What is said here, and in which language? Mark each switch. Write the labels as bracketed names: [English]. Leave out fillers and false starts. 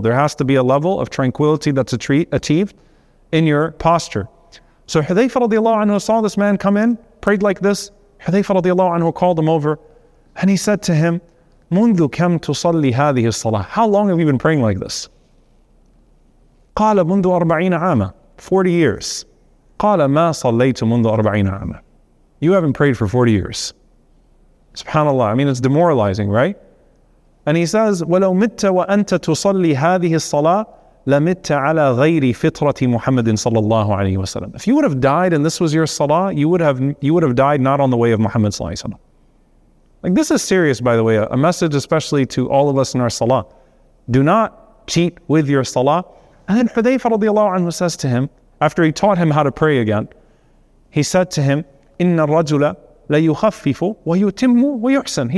[English] There has to be a level of tranquility that's achieved in your posture. So Hudhayfah radiallahu anhu saw this man come in, prayed like this. Hudhayfah radiallahu anhu called him over and he said to him, [Arabic] منذ كم تصلي هذه الصلاة? [English] How long have you been praying like this? [Arabic] قال منذ أربعين عاما. [English] 40 years. [Arabic] قال ما صليت منذ أربعين عاما. [English] You haven't prayed for 40 years. SubhanAllah. I mean, it's demoralizing, right? And he says, [Arabic] ولو مت وأنت تصلي هذه الصلاة لمت على غير فطرة محمد صلى الله عليه وسلم. [English] If you would have died and this was your salah, you would have died not on the way of Muhammad صلى الله عليه وسلم. Like, this is serious, by the way, a message especially to all of us in our salah. Do not cheat with your salah. And then Hudhayfah radiallahu anhu says to him, after he taught him how to pray again, he said to him, [Arabic] إِنَّ الرَّجُلَ لَيُخَفِّفُ وَيُتِمُّ وَيُحْسَنُ.